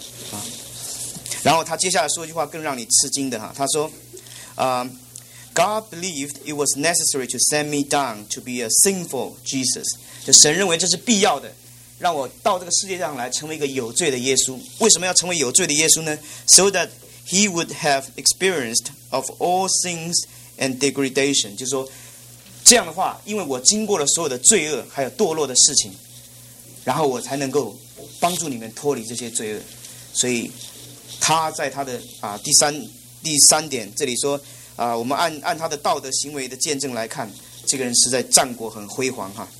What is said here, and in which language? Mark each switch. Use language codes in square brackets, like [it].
[zh] 啊，然后他接下来说一句话更让你吃惊的哈，他说： [en] “God believed it was necessary to send me down to be a sinful Jesus。 [zh] 就神认为这是必要的，让我到这个世界上来成为一个有罪的耶稣。为什么要成为有罪的耶稣呢？ [en] So that he would have experienced of all sins and degradation。 [zh] 就是说这样的话，因为我经过了所有的罪恶还有堕落的事情，然后我才能够帮助你们脱离这些罪恶。所以他在他的第三点这里说我们按他的道德行为的见证来看，这个人是在战国很辉煌哈。